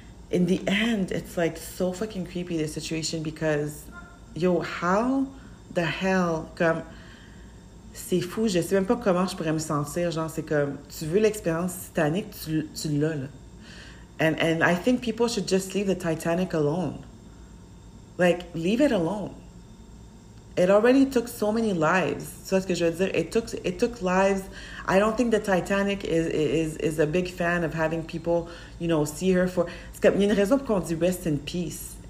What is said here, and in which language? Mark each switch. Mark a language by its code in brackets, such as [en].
[en] In the end, it's like so fucking creepy, this situation, because, yo, how the hell, comme... [fr] C'est fou, je sais même pas comment je pourrais me sentir, genre c'est comme, tu veux l'expérience Titanic, tu l'as là. [en] And I think people should just leave the Titanic alone. Like, leave it alone. It already took so many lives. [fr] Tu vois ce que je veux dire? [en] It took lives. I don't think the Titanic is a big fan of having people, you know, see her for... [fr] C'est comme, il y a une raison pour qu'on dit [en] rest in peace.